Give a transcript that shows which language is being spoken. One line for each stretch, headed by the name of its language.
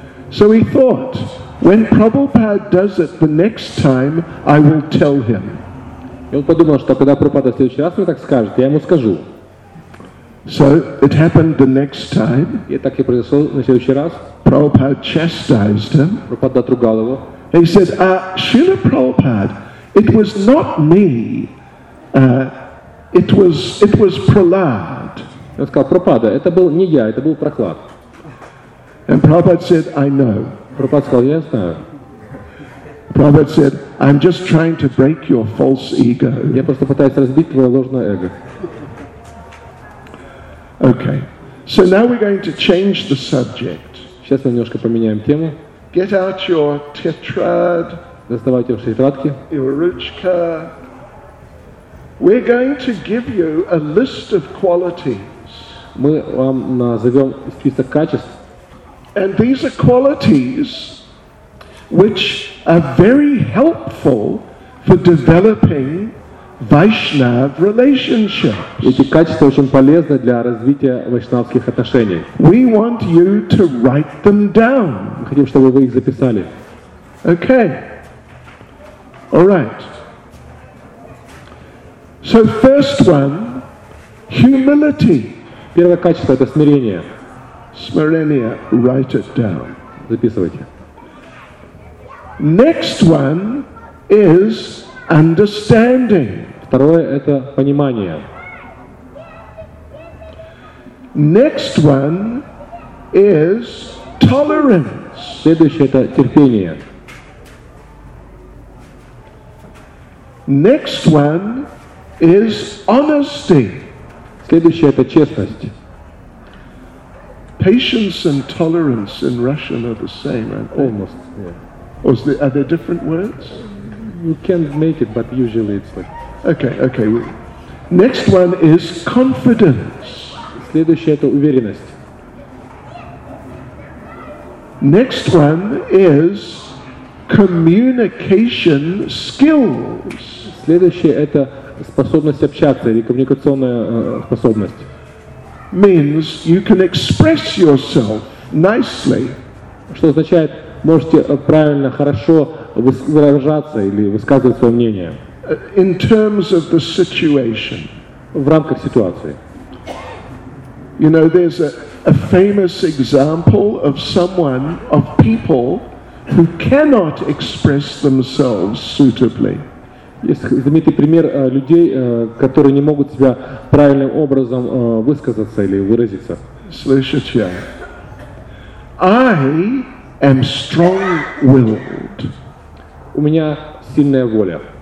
English: So he thought, when Prabhupada does it the next time, I will tell him.
Russian: И он подумал, что когда Прабхупада в следующий раз мне так скажет, я ему скажу.
English: So it happened the next time.
Russian: И так и произошло на следующий раз.
English: Prabhupada chastised him.
Russian: Прабхупада отругал его.
English: He said, Srila Prabhupada, it was not me, it was Prahlad.
Russian: Он сказал, Прабхупада, это был не я, это был Прахлад.
English: And Prabhupada said, I know.
Russian: Prabhupada сказал, я знаю.
English: Prabhupada said, I'm just trying to break your false ego.
Russian: Я просто пытаюсь разбить твое ложное эго.
English: Okay. So now we're going to change the subject.
Russian: Сейчас мы немножко поменяем тему.
English: Get out your tetrad.
Russian: Доставайте ваши тетрадки.
English: Your
Russian: ручка.
English: We're going to give you a list of qualities.
Russian: Мы вам назовем список качеств.
English: And these are qualities which are very helpful for developing Vaishnav relationships.
Russian: Эти качества очень полезны для развития вайшнавских отношений.
English: We want you to write them down.
Russian: Мы хотим, чтобы вы их записали.
English: Okay. All right. So first one, humility.
Russian: Первое качество — это смирение.
English: Smirenia, write it down.
Russian: Записывайте.
English: Next one is understanding.
Russian: Второе — это понимание.
English: Next one is tolerance.
Russian: Следующее — это терпение.
English: Next one is honesty.
Russian: Следующее — это честность.
English: Patience and tolerance in Russian are the same, aren't they? Almost, yeah. Or are there different words? You can make it, but usually it's like... Okay. Next one is confidence.
Russian: Следующее — это уверенность.
English: Next one is communication skills.
Russian: Следующее – это способность общаться или коммуникационная способность.
English: Means you can express yourself nicely.
Russian: Что означает, можете правильно, хорошо выражаться или высказывать свое мнение.
English: In terms of the situation.
Russian: В рамках ситуации.
English: You know, there's a famous example of someone, of people, who cannot express themselves suitably.
Russian: Есть знаменитый пример людей, которые не могут себя правильным образом высказаться или выразиться. Слышите?
English: I am strong-willed.
Russian: У меня сильная воля.